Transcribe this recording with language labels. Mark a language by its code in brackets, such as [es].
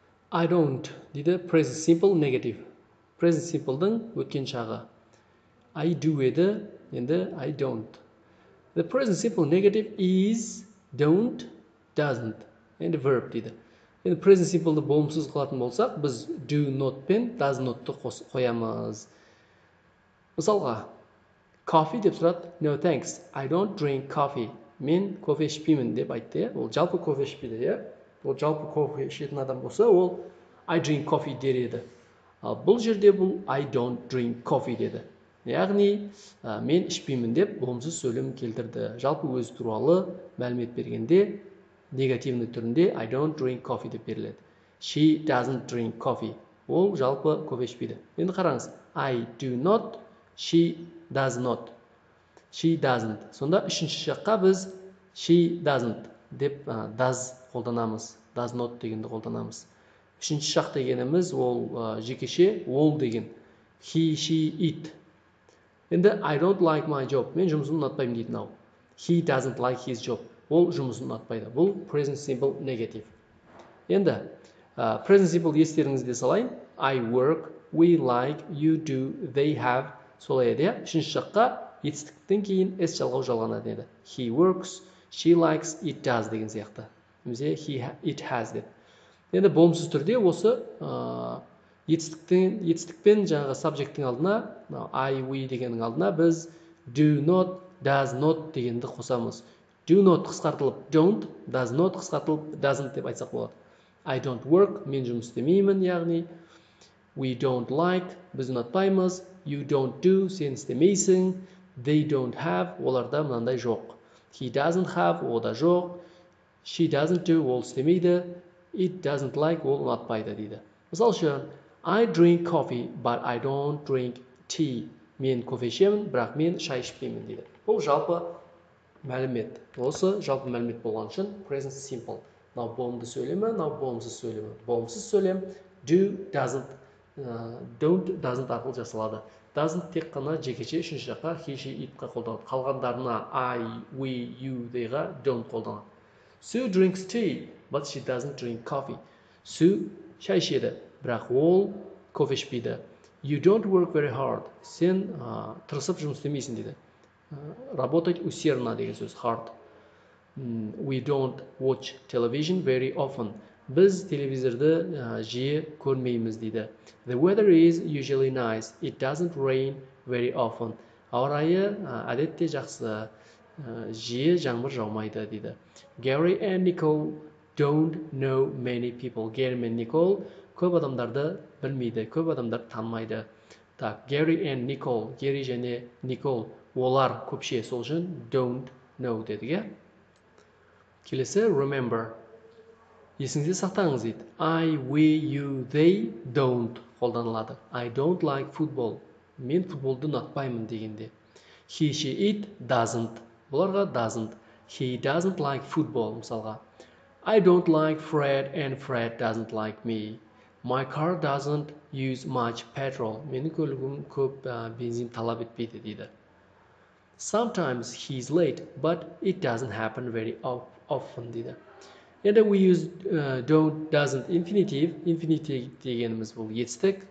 [en] I don't, [kk] дейді [en] present simple negative. [kk] Present simple-дың өткен шағы. [en] I do [kk] еді, енді [en] I don't. The present simple negative is, don't, doesn't. [kk] Енді verb дейді. Енді present simple-ді болымсыз қылатын болсақ, біз [en] do not [kk] пен [en] does not- [kk] ты қоямыз. Мысалға, [en] coffee [kk] деп сұрады, [en] no thanks, I don't drink coffee. [kk] Мен кофе ішпеймін деп айтты, ол жалпы кофе ішпейді, е? Ол жалпы кофе ішетін адам болса, ол [en] I drink coffee [kk] дер еді. Ал бұл жерде бұл [en] I don't drink coffee [kk] деді. Яғни, мен ішпеймін деп болымсыз сөйлем келтірді. Жалпы өз туралы мәлімет бергенде, негативті түрінде [en] I don't drink coffee [kk] деп беріледі. [en] She doesn't drink coffee. [kk] Ол жалпы кофе ішпейді. Енді қараңыз, [en] I do not, she does not. She doesn't. [kk] Сонда үшінші шаққа біз [en] she doesn't [kk] деп does қолданамыз. Does not дегенді қолданамыз. Үшінші шақ дегеніміз ол жекеше ол деген. [en] He, she, it. Енді I don't like my job. [kk] Мен жұмысым ұнатпаймын дейді нау. [en] He doesn't like his job. [kk] Ол жұмысын ұнатпайды. [en] Бұл present simple negative. [kk] Енді present simple естеріңізде салайын. [en] I work, we like, you do, they have. [kk] Солай еді. Үшінші шаққа етістіктен кейін S жалғау жалғанады деді. [en] He works, she likes, it does [kk] деген сияқты. Немесе [en] he it has деп. [kk] Енді болымсыз түрде осы етістікпен жаңағы subject-тің алдына, I, we дегеннің алдына біз [en] do not, does not [kk] дегенді қосамыз. [en] Do not қысқартылып don't, does not қысқартылып doesn't деп айтсақ болады. I don't work, [kk] мен жұмыс істемеймін, [en] яғни we don't like, [kk] біз ұнатпаймыз, [en] you don't do, [kk] сен істемейсің, [en] they don't have, [kk] оларда мынандай жоқ. [en] He doesn't have, [kk] ода жоқ. [en] She doesn't do, [kk] ол істемейді. [en] It doesn't like, [kk] ол ұнатпайды дейді. [en] Мысал үшін, I drink coffee, but I don't drink tea. [kk] Мен кофе ішемін, бірақ мен шай ішпеймін дейді. Бұл жалпы мәлімет. Осы жалпы мәлімет болған үшін present simple. Now болымды сөйлемі, now болымсыз сөйлемі. Болымсыз сөйлем, do, doesn't, don't, doesn't арқылы жасалады. Doesn't тек қана жекеше үшінші жаққа, he, she, it-қа қолданады. Қалғандарына I, we, you дейға don't қолданады. [en] Sue drinks tea, but she doesn't drink coffee. [kk] Sue шай ішеді, бірақ ол кофе ішпейді. [en] You don't work very hard. [kk] Сен тырысып жұмыс істемейсің дейді. [ru] Работать усердно [kk] деген сөз hard. [en] We don't watch television very often. [kk] Біз телевизорды жиі көрмейміз дейді. [en] The weather is usually nice. It doesn't rain very often. [kk] Ауа райы әдетте жақсы. Жиі жаңбыр жаумайды дейді. [en] Gary and Nicole don't know many people. [kk] Gary and Nicole көп адамдарды білмейді, көп адамдар танымайды. Так, Gary and Nicole, Gary және Nicole, олар көпше, сол үшін [en] don't know [kk] дедіге. Келесі remember. Есіңізде сақтаңыз дейді. I, we, you, they don't қолданылады. [en] I don't like football. [kk] Мен футболды ұнатпаймын дегенде. [en] He, she, it doesn't. [kk] Оларға doesn't. [en] He doesn't like football, [kk] мысалға. [en] I don't like Fred and Fred doesn't like me. My car doesn't use much petrol. [kk] Менің көлігім көп бензин талап етпейді дейді. [en] Sometimes he's late, but it doesn't happen very often [kk] дейді. Енді [en] we use don't, doesn't, infinitive. [kk] Infinitive дегеніміз бұл етістік.